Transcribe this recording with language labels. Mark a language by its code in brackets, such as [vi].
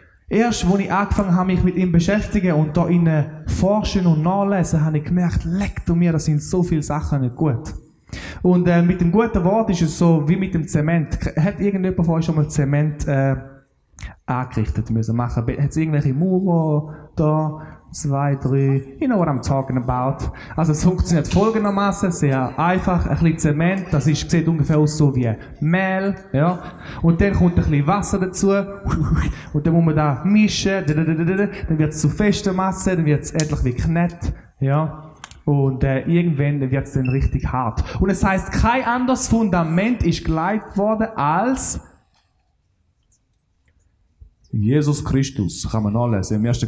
[de] Erst als ich angefangen habe, mich mit ihm zu beschäftigen und da in forschen und nachlesen, habe ich gemerkt, leck du mir, das sind so viele Sachen nicht gut. Und mit dem guten Wort ist es so wie mit dem Zement. Hat irgendjemand von euch schon mal Zement angerichtet müssen machen? Hat es irgendwelche Muro da? [en] 2, 3, you know what I'm talking about. [de] Also es funktioniert folgendermaßen sehr einfach. Ein bisschen Zement, das ist, sieht ungefähr aus so wie Mehl. Ja? Und dann kommt ein bisschen Wasser dazu. Und dann muss man da mischen. Dann wird es zu fester Masse, dann wird es endlich wie knett. Ja? Und irgendwann wird es dann richtig hart. Und es heisst, kein anderes Fundament ist gelegt worden als Jesus Christus. Kann man nachlesen im 1.